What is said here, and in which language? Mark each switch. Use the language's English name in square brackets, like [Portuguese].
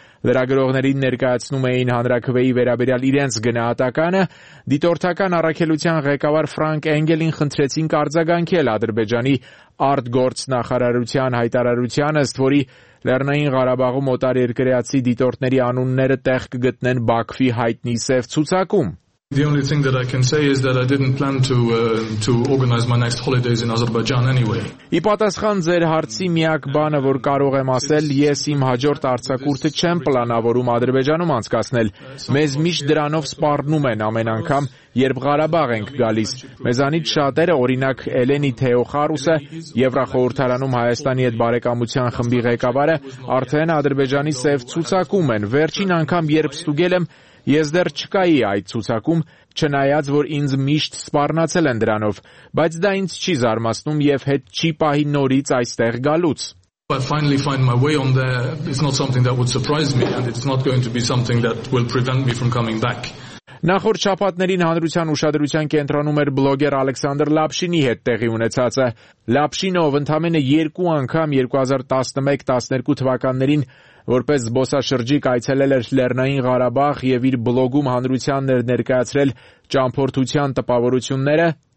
[Armenian] լրագրողներին ներկայացնում էին հանրաքվեի վերաբերյալ իրենց գնահատականը, դիտորդական առաքելության ղեկավար Ֆրանկ Էնգելին խնդրեցին կարձագանքել Ադրբեջանի արտգործնախարարության հայտարարությանը, ըստ որի Լեռնային Ղարաբաղում օտարերկրեացի դիտորդների անունները տեղ կգտնեն Բաքվի հայտնի սև ցուցակում։ [English] The only thing that I can say is that I didn't plan to organize my next holidays in Azerbaijan anyway. [Armenian] Ի պատասխան ձեր հարցի միակ բանը, որ կարող եմ ասել, ես իմ հաջորդ արձակուրդը չեմ պլանավորում Ադրբեջանում անցկացնել։ Մեզ միշտ դրանով սպառնում են ամեն անգամ, երբ Ղարաբաղ ենք գալիս։ Մեզանից շատերը, օրինակ Էլենի Թեոխարուսը, Եվրախորհրդարանում Հայաստանի հետ բարեկամության խմբի ղեկավարը, արդեն Ադրբեջանի սև ցուցակում են։ Վերջին անգամ, երբ ստուգել եմ, Ես դեռ չկայի այդ ցուցակում, չնայած որ ինձ միշտ սպառնացել են դրանով, բայց դա ինձ չի զարմացնում եւ հետ չի պահի նորից այստեղ գալուց. [English] I finally find my way on there. It's not something that would surprise me, and it's not going to be something that will prevent me from coming back. [Armenian] Նախորդ շաբաթներին հանրության ուշադրության կենտրոնում էր բլոգեր Ալեքսանդր Լապշինի հետ տեղի ունեցածը։ Լապշինը ով ընդամենը երկու անգամ 2011-12 թվականներին որպես զբոսաշրջիկ այցելել էր Լեռնային Ղարաբաղ եւ իր բլոգում հանրությանն էր ներկայացրել ճամփորդության տպավորությունները,